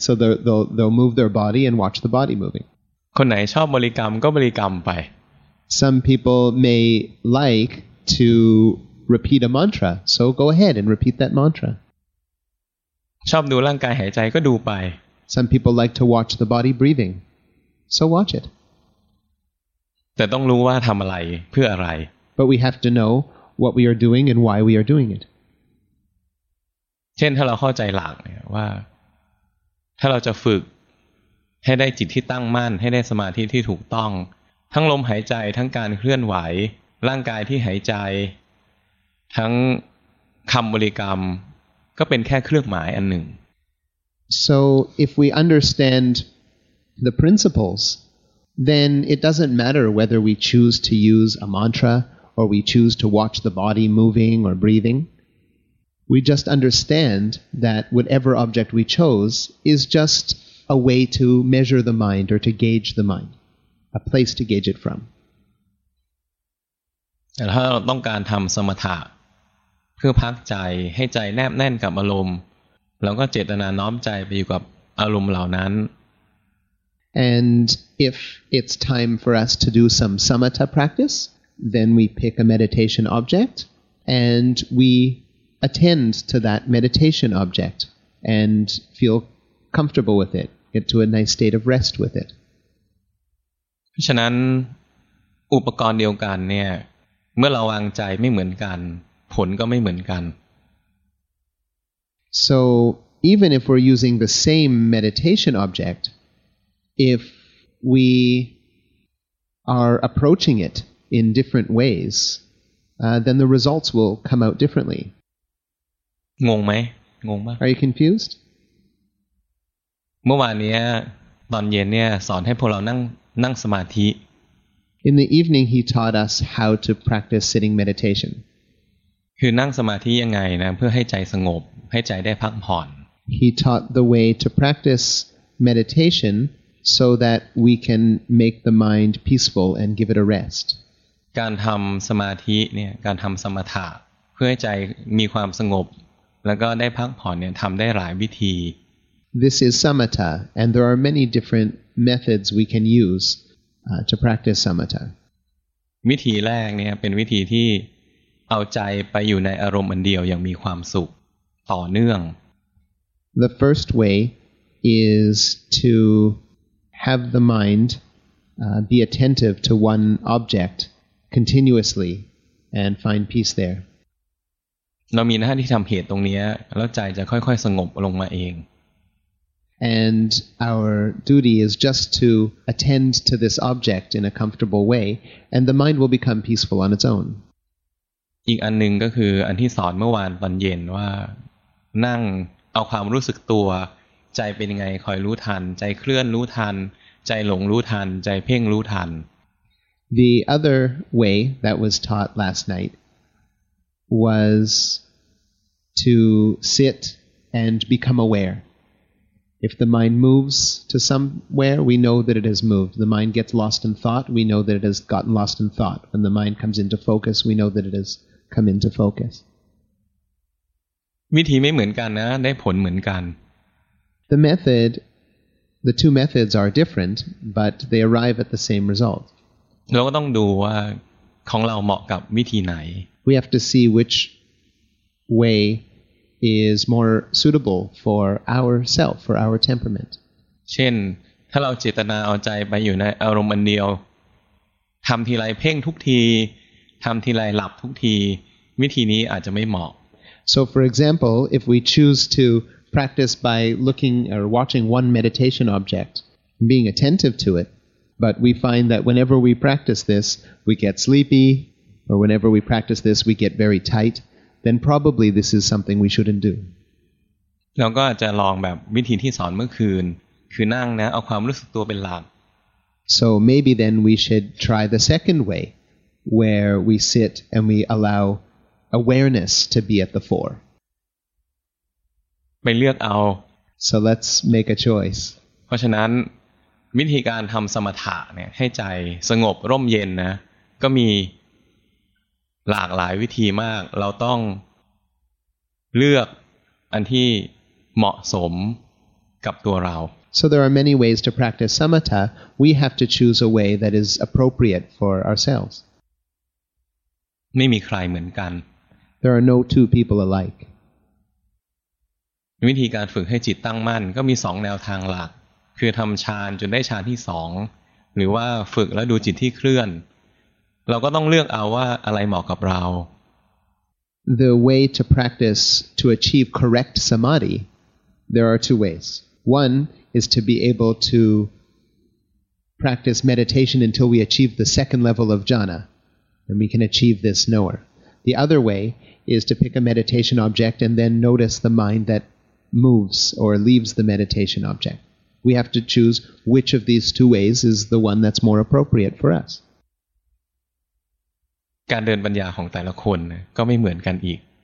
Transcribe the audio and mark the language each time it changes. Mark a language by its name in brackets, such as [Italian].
[English] So they'll move their body and watch the body moving. [Thai] คนไหนชอบบริกรรมก็บริกรรมไป [English] Some people may like to repeat a mantra, so go ahead and repeat that mantra. [Thai] ชอบดูร่างกายหายใจก็ดูไป [English] Some people like to watch the body breathing. So watch it. [Thai] แต่ต้องรู้ว่าทำอะไรเพื่ออะไร [English] But we have to know what we are doing and why we are doing it. [Thai] เช่นถ้าเราเข้าใจหลักเนี่ยว่าถ้าเราจะฝึกให้ได้จิตที่ตั้งมั่นให้ได้สมาธิที่ถูกต้องทั้งลมหายใจทั้งการเคลื่อนไหวร่างกายที่หายใจทั้งคำบริกรรมก็เป็นแค่เครื่องหมายอันหนึ่ง [English] So if we understandThe principles, then it doesn't matter whether we choose to use a mantra or we choose to watch the body moving or breathing. We just understand that whatever object we chose is just a way to measure the mind or to gauge the mind, a place to gauge it from. [Thai] แต่ถ้าเราต้องการทำสมถะเพื่อพักใจให้ใจแนบแน่นกับอารมณ์แล้วก็เจตนาน้อมใจไปอยู่กับอารมณ์เหล่านั้น [English] And if it's time for us to do some samatha practice, then we pick a meditation object and we attend to that meditation object and feel comfortable with it, get to a nice state of rest with it. [Thai] ฉะนั้นอุปกรณ์เดียวกันเนี่ยเมื่อเราวางใจไม่เหมือนกันผลก็ไม่เหมือนกัน [English] So even if we're using the same meditation object,If we are approaching it in different ways, then the results will come out differently. [Thai] งงไหมงงมาก [English] Are you confused? [Thai] เมื่อวานเนี้ยตอนเย็นเนี้ยสอนให้พวกเรานั่งสมาธิ [English] In the evening, he taught us how to practice sitting meditation. [Thai] คือนั่งสมาธิยังไงนะเพื่อให้ใจสงบให้ใจได้พักผ่อน [English] He taught the way to practice meditation. So that we can make the mind peaceful and give it a rest. [Thai] การทำสมาธิเนี่ยการทำสมถะเพื่อให้ใจมีความสงบแล้วก็ได้พักผ่อนเนี่ยทำได้หลายวิธี [English] This is samatha, and there are many different methods we can use to practice samatha. [Thai] วิธีแรกเนี่ยเป็นวิธีที่เอาใจไปอยู่ในอารมณ์อันเดียวอย่างมีความสุขต่อเนื่อง [English] The first way is to have the mind be attentive to one object continuously and find peace there. [Thai] เรามีหน้าที่ทำเหตุตรงนี้แล้วใจจะค่อยๆสงบลงมาเอง [English] And our duty is just to attend to this object in a comfortable way and the mind will become peaceful on its own. [Thai] อีกอันหนึ่งก็คืออันที่สอนเมื่อวานตอนเย็นว่านั่งเอาความรู้สึกตัวใจเป็นยังไงคอยรู้ทันใจเคลื่อนรู้ทันใจหลงรู้ทันใจเพ่งรู้ทัน [English] The other way that was taught last night was to sit and become aware. If the mind moves to somewhere, we know that it has moved. The mind gets lost in thought, we know that it has gotten lost in thought. When the mind comes into focus, we know that it has come into focus. [Thai] วิธีไม่เหมือนกันนะได้ผลเหมือนกัน [English] The method, the two methods are different, but they arrive at the same result. [Thai] เราก็ต้องดูว่าของเราเหมาะกับวิธีไหน [English] We have to see which way is more suitable for ourself, for our temperament. [Thai] เช่นถ้าเราเจตนาเอาใจไปอยู่ในอารมณ์อันเดียวทำทีไรเพ่งทุกทีทำทีไรหลับทุกทีวิธีนี้อาจจะไม่เหมาะ [English] So for example, if we choose to practice by looking or watching one meditation object, being attentive to it. But we find that whenever we practice this, we get sleepy, or whenever we practice this, we get very tight, then probably this is something we shouldn't do. [Thai] เราก็จะลองแบบวิธีที่สอนเมื่อคืนคือนั่งนะเอาความรู้สึกตัวเป็นหลัก [English] So maybe then we should try the second way, where we sit and we allow awareness to be at the fore. [Thai] ไปเลือกเอา [English] So let's make a choice. [Thai] เพราะฉะนั้นวิธีการทำสมถะเนี่ยให้ใจสงบร่มเย็นนะก็มีหลากหลายวิธีมากเราต้องเลือกอันที่เหมาะสมกับตัวเรา [English] So there are many ways to practice samatha. We have to choose a way that is appropriate for ourselves. [Thai] ไม่มีใครเหมือนกัน [English] There are no two people alike. [Thai] วิธีการฝึกให้จิตตั้งมั่นก็มีสองแนวทางหลักคือทำฌานจนได้ฌานที่สองหรือว่าฝึกแล้วดูจิตที่เคลื่อนเราก็ต้องเลือกเอาว่าอะไรเหมาะกับเรา [English] The way to practice to achieve correct samadhi, there are two ways. One is to be able to practice meditation until we achieve the second level of jhana, and we can achieve this knower. The other way is to pick a meditation object and then notice the mind that moves or leaves the meditation object. We have to choose which of these two ways is the one that's more appropriate for us. [Thai] การเดินปัญญาของแต่ละคนก็ไม่เหมือนกันอีก